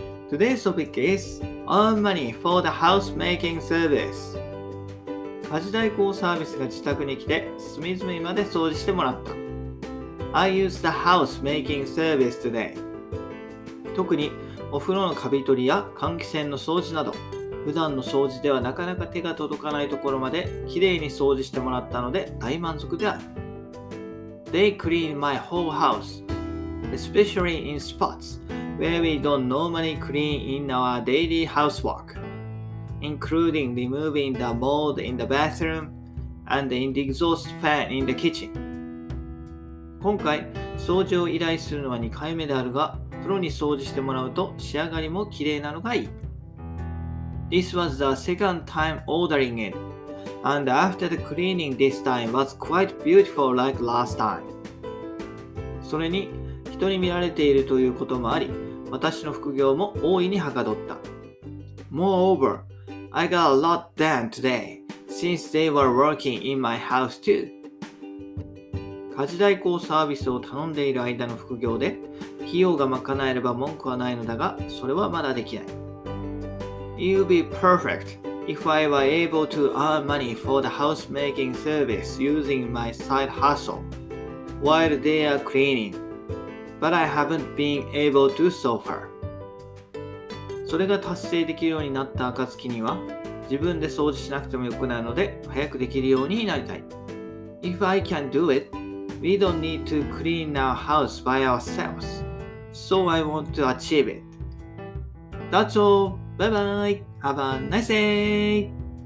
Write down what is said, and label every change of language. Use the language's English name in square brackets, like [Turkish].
[English] Today's topic is Earn Money for the House Making Service. [Japanese] 家事代行サービスが自宅に来て隅々まで掃除してもらった。 [English] I use the house making service today. [Japanese] 特にお風呂のカビ取りや換気扇の掃除など、普段の掃除ではなかなか手が届かないところまできれいに掃除してもらったので大満足である。 [English] They clean my whole house, especially in spots where we don't normally clean in our daily housework, including removing the mold in the bathroom and in the exhaust fan in the kitchen. [Japanese] 今回、掃除を依頼するのは2回目であるが、プロに掃除してもらうと仕上がりもきれいなのがいい。 [English] This was the second time ordering it. And after the cleaning this time was quite beautiful like last time. [Japanese] それに、人に見られているということもあり、私の副業も大いにはかどった。 [English] Moreover, I got a lot done today, since they were working in my house too. [Japanese] 家事代行サービスを頼んでいる間の副業で、費用が賄えれば文句はないのだが、それはまだできない。 [English] You'll be perfect. If I were able to earn money for the housemaking service using my side hustle while they are cleaning, but I haven't been able to so far. [Japanese] それが達成できるようになった暁には、自分で掃除しなくてもよくなるので、早くできるようになりたい。 [English] If I can do it, we don't need to clean our house by ourselves, so I want to achieve it. That's all. Bye bye. Have a nice day!